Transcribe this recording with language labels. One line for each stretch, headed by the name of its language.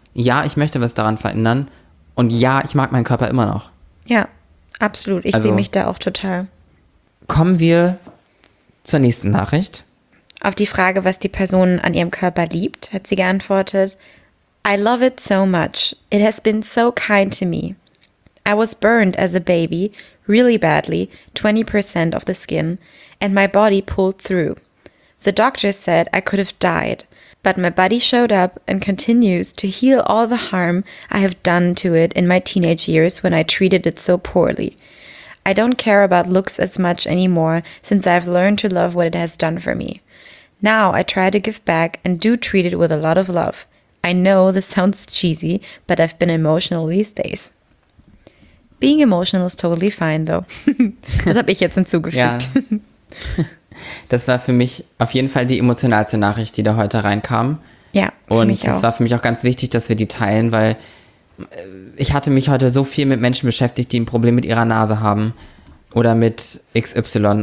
German: Ja, ich möchte was daran verändern. Und ja, ich mag meinen Körper immer noch. Ja, absolut. Ich sehe mich da auch total. Kommen wir zur nächsten Nachricht. Auf die Frage, was die Person an ihrem Körper liebt, hat sie geantwortet:
English: I love it so much. It has been so kind to me. I was burned as a baby, really badly, 20% of the skin, and my body pulled through. The doctor said I could have died, but my body showed up and continues to heal all the harm I have done to it in my teenage years when I treated it so poorly. I don't care about looks as much anymore since I've learned to love what it has done for me. Now I try to give back and do treat it with a lot of love. I know this sounds cheesy, but I've been emotional these days. Being emotional is totally fine, though.
German: Das habe ich jetzt hinzugefügt. Ja. Das war für mich auf jeden Fall die emotionalste Nachricht, die da heute reinkam. Ja, und das war für mich auch ganz wichtig, dass wir die teilen, weil ich hatte mich heute so viel mit Menschen beschäftigt, die ein Problem mit ihrer Nase haben oder mit XY.